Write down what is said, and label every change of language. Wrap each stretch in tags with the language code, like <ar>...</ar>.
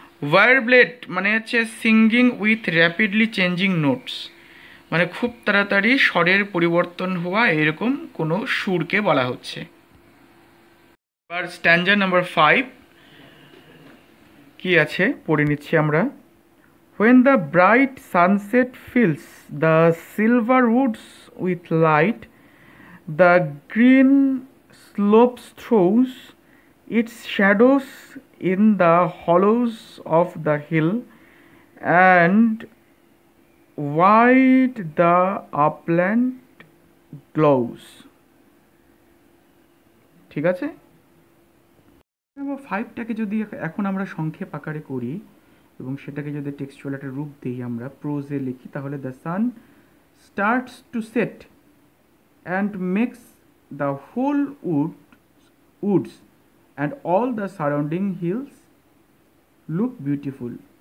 <bn>War blade মানে হচ্ছে</bn> <en>singing with rapidly changing notes,</en> <bn>মানে খুব তাড়াতাড়ি স্বরের পরিবর্তন হওয়া এরকম কোনো সুরকে বলা হচ্ছে। এবার স্ট্যানজা নাম্বার 5 কি আছে পড়ে নিচ্ছি আমরা।</bn> <en>When the bright sunset fills the silver woods with light The green slopes throws its shadows in the hollows of the hill and white the upland glows.</en> <bn>ঠিক আছে, আমরা 5টাকে যদি এখন আমরা সংক্ষেপ আকারে করি এবং সেটাকে যদি টেক্সচুয়াল একটা রূপ দেই আমরা প্রোজে লিখি, তাহলে</bn> <en>The sun starts to set and makes the whole woods and all the surrounding hills look beautiful.</en>